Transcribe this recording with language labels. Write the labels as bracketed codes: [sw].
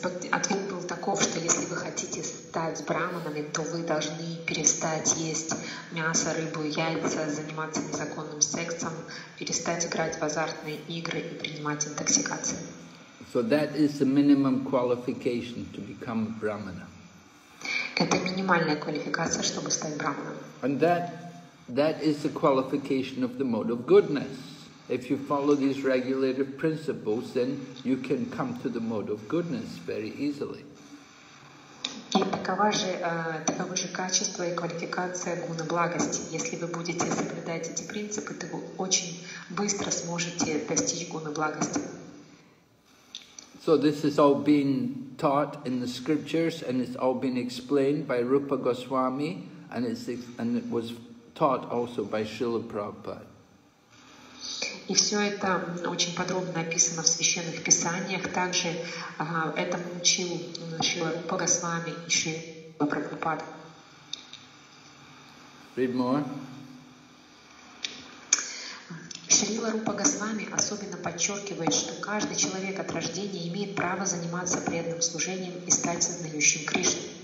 [ru] Ответ был таков, что если вы хотите стать браманами, то вы должны перестать есть мясо, рыбу, яйца, заниматься незаконным сексом, перестать играть в азартные игры и принимать интоксикации. [en] So that is the minimum qualification to become a brahmana. [ru] Это минимальная квалификация, чтобы стать браманом. [en] And that is the qualification of the mode of goodness. If you follow these regulative principles, then you can come to the mode of goodness very easily. [ru] И таковы же качества и квалификация гуна благости. Если вы будете соблюдать эти принципы, то вы очень быстро сможете достичь гуны благости. [en] So this has all been taught in the scriptures, and it's all been explained by Rupa Goswami, and it was taught also by Srila Prabhupada. [ru] И все это очень подробно описано в священных писаниях. Также этому учил Шрила Рупа Госвами и Шрила Прабхупада. [en] Read more. [ru] Шрила Рупа Госвами особенно подчеркивает, что каждый человек от рождения имеет право заниматься преданным служением и стать сознающим Кришну.